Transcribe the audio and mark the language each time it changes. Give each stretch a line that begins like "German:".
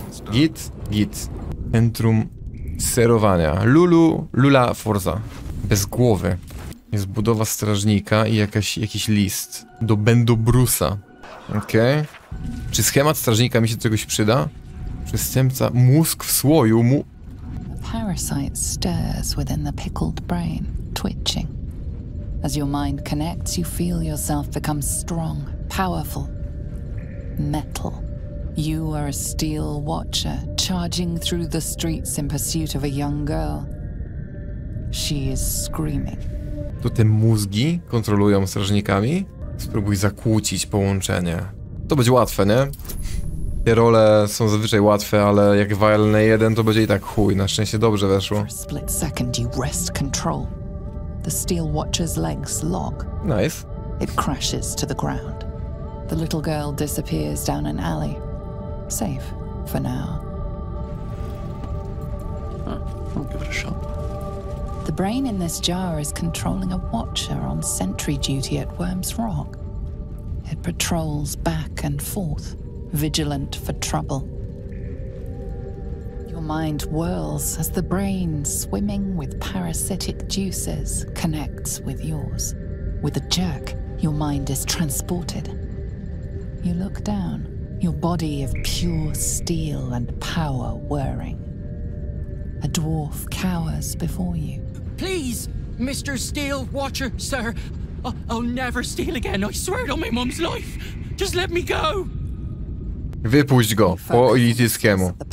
Polish: Git, git. Centrum serowania. Lulu, Lula Forza. Bez głowy. Jest budowa strażnika i jakiś list. Do Bendobrusa. Okej. Okay. Czy schemat strażnika mi się do czegoś przyda? Przestępca, mózg w słoju, mu...
English: Parasite stirs within the pickled brain, twitching. As your mind connects, you feel yourself become strong, powerful. Metal. You are a steel watcher, charging through the streets in pursuit of a young girl. She is screaming.
Polish: To te mózgi kontrolują strażnikami? Spróbuj zakłócić połączenie. To będzie łatwe, nie? Te role są zazwyczaj łatwe, ale jak walnę jeden, to będzie i tak chuj. Na szczęście dobrze weszło.
English: For a split second you wrest control. The steel watcher's legs lock. Nice. It crashes to the ground. The little girl disappears down an alley. Safe for now. I'll give it a shot. The brain in this jar is controlling a watcher on sentry duty at Worm's Rock. It patrols back and forth, vigilant for trouble. Your mind whirls as the brain, swimming with parasitic juices, connects with yours. With a jerk, your mind is transported. You look down, your body of pure steel and power whirring. A dwarf cowers before you. Please, Mr. Steel Watcher, sir. I'll never steal again, I swear it on my mom's life. Just let me go.
Polish: Wypuść go, po Iliciskiemu.